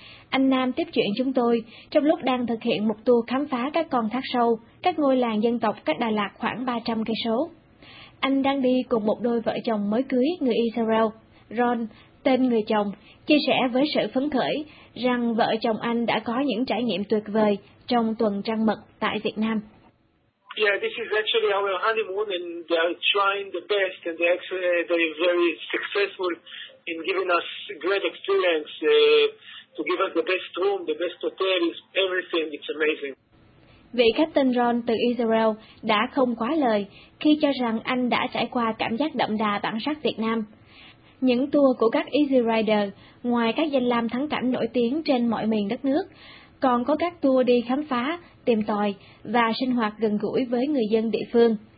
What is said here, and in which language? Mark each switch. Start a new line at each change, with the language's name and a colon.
Vietnamese: Anh Nam tiếp chuyện chúng tôi trong lúc đang thực hiện một tour khám phá các con thác sâu, các ngôi làng dân tộc cách Đà Lạt khoảng 300 cây số. Anh đang đi cùng một đôi vợ chồng mới cưới người Israel, Ron, tên người chồng, chia sẻ với sự phấn khởi rằng vợ chồng anh đã có những trải nghiệm tuyệt vời trong tuần trăng mật tại Việt Nam.
English: Yeah, this is actually our honeymoon, and they're trying the best, and they're very successful in giving us great experience, to give us the best room, the best hotel, everything. It's amazing.
Vietnamese: Vị khách tên Ron từ Israel đã không quá lời khi cho rằng anh đã trải qua cảm giác đậm đà bản sắc Việt Nam. Những tour của các Easy Rider, ngoài các danh lam thắng cảnh nổi tiếng trên mọi miền đất nước, còn có các tour đi khám phá, tìm tòi và sinh hoạt gần gũi với người dân địa phương.